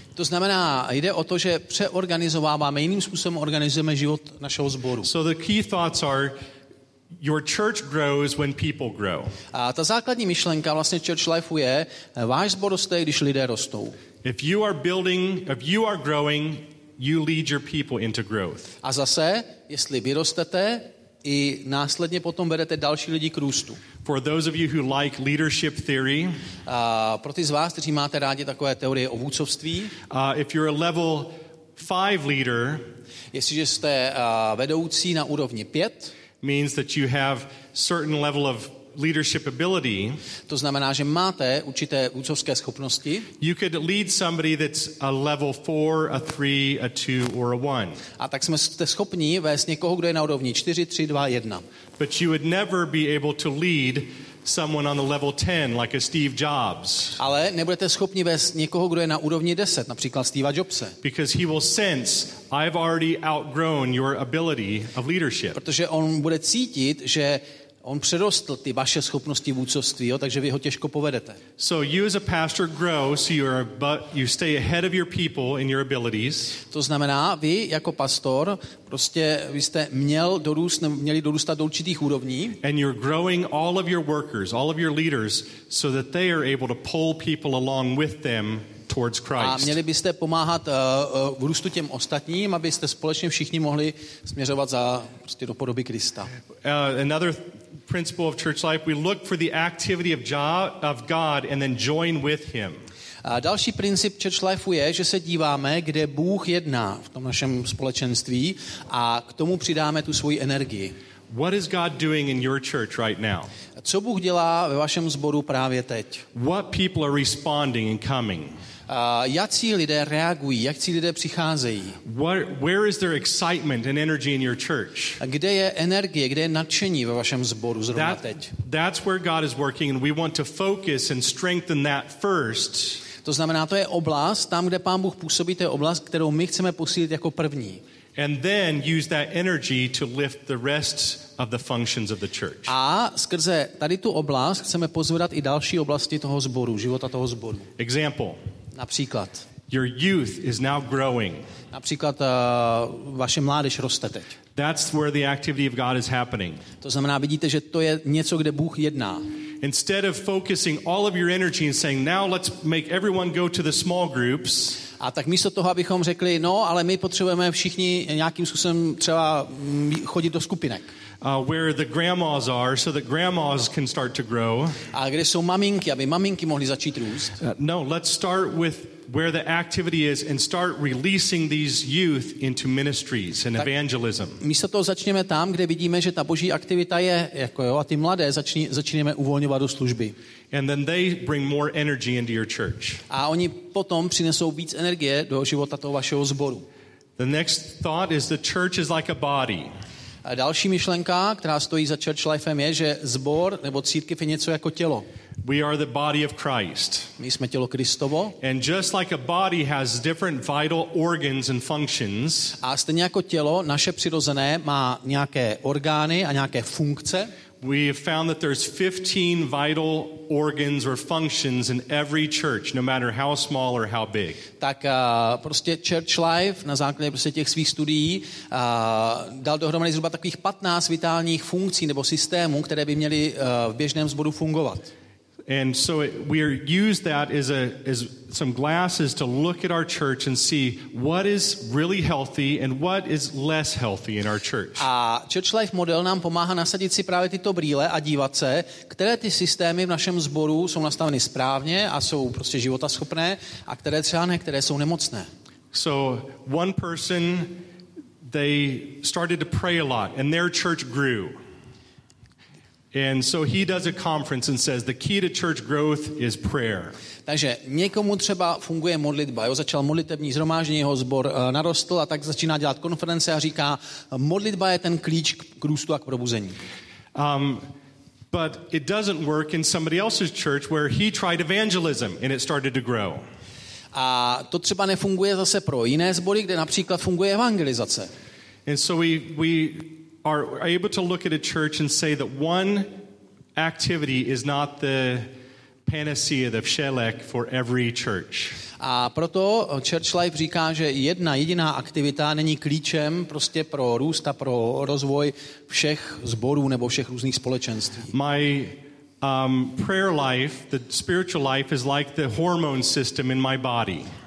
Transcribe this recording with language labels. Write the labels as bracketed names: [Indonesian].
[Czech] To znamená, jde o to, že přeorganizováváme, jiným způsobem organizujeme život našeho sboru. [English] So the key thoughts are your church grows when people grow. [Czech] A ta základní myšlenka vlastně church life je, váš sbor roste, když lidé rostou. [English] If you are building, if you are growing, you lead your people into growth. [Czech] A zase, jestli vy rostete, i následně potom vedete další lidi k růstu. [English] For those of you who like leadership theory, [Czech] pro ty z vás, kteří máte rádi takové teorie o vůdcovství, [English] if you're a level 5 leader, [Czech] jestliže jste vedoucí na úrovni 5, [English] means that you have certain level of leadership ability. [Czech] To znamená, že máte určité vůdcovské schopnosti. [English] You could lead somebody that's a level 4, a 3, a 2 or a 1. [Czech] A tak jste schopni vést někoho, kdo je na úrovni 4, 3, 2, 1. [English] But you would never be able to lead someone on the level 10 like a Steve Jobs. [Czech] Ale nebudete schopni vést někoho, kdo je na úrovni 10, například Steve Jobs. [English] Because he will sense I've already outgrown your ability of leadership. [Czech] Protože on bude cítit, že on přerostl ty vaše schopnosti vůdcovství, jo, takže vy ho těžko povedete. [English] So you as a pastor grow, so you stay ahead of your people in your abilities. [Czech] To znamená, vy jako pastor prostě vy jste měli dorůstat do určitých úrovní. [English] And you're growing all of your workers, all of your leaders, so that they are able to pull people along with them towards Christ. [Czech] A měli byste pomáhat v růstu těm ostatním, abyste společně všichni mohli směřovat za prostě do podoby Krista. [English] Another principle of church life, we look for the activity of God and then join with him. [Czech] A další princip church life je, že se díváme, kde Bůh jedná v tom našem společenství a k tomu přidáme tu svoji energii. [English] What is God doing in your church right now? [Czech] Co Bůh dělá ve vašem sboru právě teď? [English] What people are responding and coming? [Czech] jakí lidé reagují, jakí lidé přicházejí. [English] Where is their excitement and energy in your church? [Czech] Kde je energie, kde je nadšení ve vašem sboru zrovna teď? [English] That's where God is working, and we want to focus and strengthen that first. [Czech] To znamená, to je oblast, tam, kde Pán Bůh působí, to je oblast, kterou my chceme posílit jako první. [English] And then use that energy to lift the rest of the functions of the church. [Czech] A skrze tady tu oblast chceme pozvedat i další oblasti toho sboru, života toho sboru. [English] Example. [Czech] Například. [English] Your youth is now growing. [Czech] Například vaše mládež roste teď. [English] That's where the activity of God is happening. [Czech] To znamená, vidíte, že to je něco, kde Bůh jedná. [English] Instead of focusing all of your energy and saying, now let's make everyone go to the small groups. [Czech] A tak místo toho, abychom řekli, no, ale my potřebujeme všichni nějakým způsobem třeba chodit do skupinek. [English] Where the grandmas are, so that grandmas can start to grow. [Czech] A kde jsou maminky, aby maminky mohly začít růst. [English] No, let's start with where the activity is and start releasing these youth into ministries and evangelism. [Czech] Místo toho začněme tam, kde vidíme, že ta boží aktivita je, jako jo, a ty mladé začneme uvolňovat do služby. [English] And then they bring more energy into your church. [Czech] A oni potom přinesou víc energie do života toho vašeho sboru. [English] The next thought is the church is like a body. [Czech] A další myšlenka, která stojí za church lifem, je, že sbor nebo církev je něco jako tělo. [English] We are the body of Christ. [Czech] My jsme tělo Kristovo. [English] And just like a body has different vital organs and functions. [Czech] A stejně jako tělo, naše přirozené má nějaké orgány a nějaké funkce. [English] We have found that there's 15 vital organs or functions in every church, no matter how small or how big. [Czech] Tak prostě church life na základě prostě těch svých studií dal dohromady zhruba takových 15 vitálních funkcí nebo systémů, které by měly v běžném sboru fungovat. [English] And so we are use that as some glasses to look at our church and see what is really healthy and what is less healthy in our church. [Czech] A church life model nám pomáhá nasadit si právě tyto brýle a dívat se, které ty systémy v našem sboru jsou nastaveny správně a jsou prostě životaschopné a které třeba ne, které jsou nemocné. [English] So one person, they started to pray a lot and their church grew. And so he does a conference and says the key to church growth is prayer. [Czech] Takže někomu třeba funguje modlitba. Jo, začal modlitební shromáždění, jeho sbor narostl a tak začíná dělat konference a říká, modlitba je ten klíč k růstu a k probuzení. [English] But it doesn't work in somebody else's church where he tried evangelism and it started to grow. [Czech] A to třeba nefunguje zase pro jiné sbory, kde například funguje evangelizace. [English] And so we are able to look at a church and say that one activity is not the panacea, the všelek for every church. [Czech] A proto church life říká, že jedna jediná aktivita není klíčem prostě pro růst a pro rozvoj všech sborů nebo všech různých společenství. [English] My prayer life, the spiritual life is like the hormone system in my body.